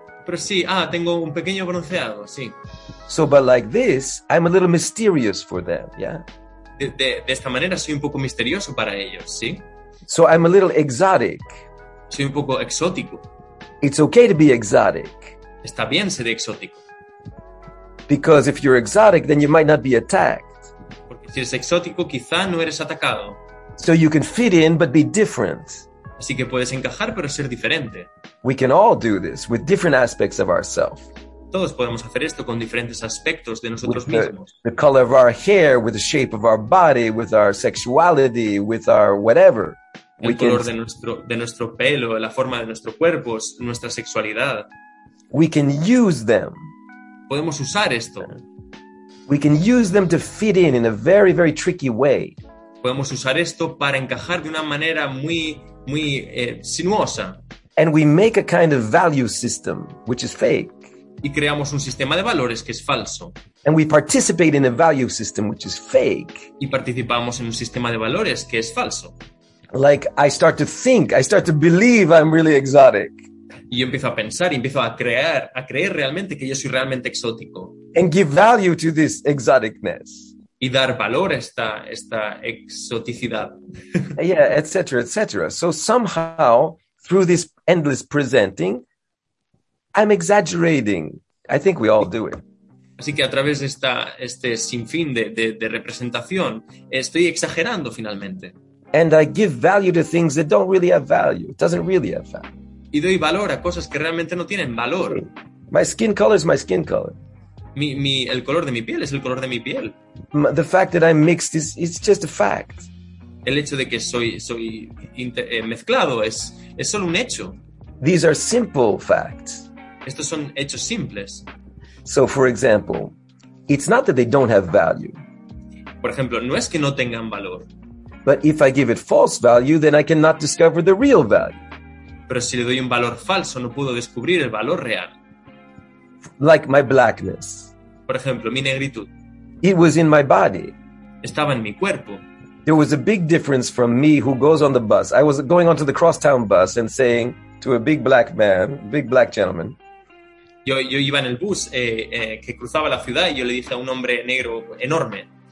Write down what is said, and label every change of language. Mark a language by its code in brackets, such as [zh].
[es] Pero sí, tengo un pequeño bronceado, sí. [en] So, but like this, I'm a little mysterious for them, yeah? [es] De esta manera, soy un poco misterioso para ellos, sí. [en] So, I'm a little exotic. [es] Soy un poco exótico. [en] It's okay to be exotic. [es] Está bien ser exótico. [en] Because if you're exotic, then you might not be attacked. [es] Porque si eres exótico, quizá no eres atacado. [en] So you can fit in, but be different. [es] Así que puedes encajar, pero ser diferente. [en] We can all do this with different aspects of ourselves. [es] Todos podemos hacer esto con diferentes aspectos de nosotros mismos. [en] The color of our hair, with the shape of our body, with our sexuality, with our whatever. [es] De nuestro pelo, la forma de nuestro cuerpo, nuestra sexualidad. [en] We can use them. [es] Podemos usar esto. [en] We can use them to fit in a very, very tricky way. [es] Podemos usar esto para encajar de una manera muy, muy sinuosa. [en] And we make a kind of value system, which is fake. [es] Y creamos un sistema de valores que es falso. [en] And we participate in a value system, which is fake. [es] Y participamos en un sistema de valores que es falso. [en] Like I start to believe I'm really exotic. [es] Y yo empiezo a pensar, empiezo a creer realmente que yo soy realmente exótico. [en] And give value to this exoticness. [es] Y dar valor a esta exoticidad. [en] Yeah, etc., etc. So somehow, through this endless presenting, I'm exaggerating I think we all do it. [es] Así que a través de este sinfín de representación, estoy exagerando finalmente. [en] And I give value to things that don't really have value. It doesn't really have value. [es] Y doy valor a cosas que realmente no tienen valor. [en] My skin color is my skin color. [es] El color de mi piel es el color de mi piel. [en] The fact that I'm mixed is just a fact. [es] El hecho de que soy mezclado es solo un hecho. [en] These are simple facts. [es] Estos son hechos simples. [en] So, for example, it's not that they don't have value. [es] Por ejemplo, no es que no tengan valor. [en] But if I give it false value, then I cannot discover the real value. [es] Pero si le doy un valor falso, no puedo descubrir el valor real. [en] Like my blackness. [es] Por ejemplo, mi negritud. [en] It was in my body. [es] Estaba en mi cuerpo. [en] There was a big difference from me who goes on the bus. I was going onto the crosstown bus and saying to a big black man, big black gentleman, [es] Yo iba en el bus que cruzaba la ciudad y yo le dije a un hombre negro enorme.